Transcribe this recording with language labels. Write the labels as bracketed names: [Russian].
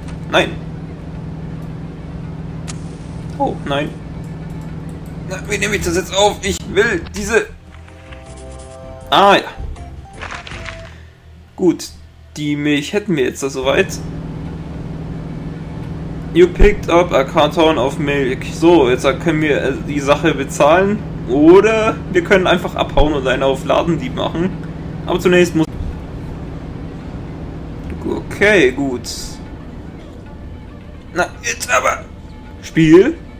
[German] Nein. Oh, nein. Na, wie nehme ich das jetzt auf? Ich will diese... Ah, ja. Gut, die Milch hätten wir jetzt da soweit. [English] You picked up a carton of milk. [German] So, jetzt können wir die Sache bezahlen. Oder wir können einfach abhauen und einen auf Ladendieb machen. Aber zunächst muss... Okay, gut. Na, jetzt aber... Spiel?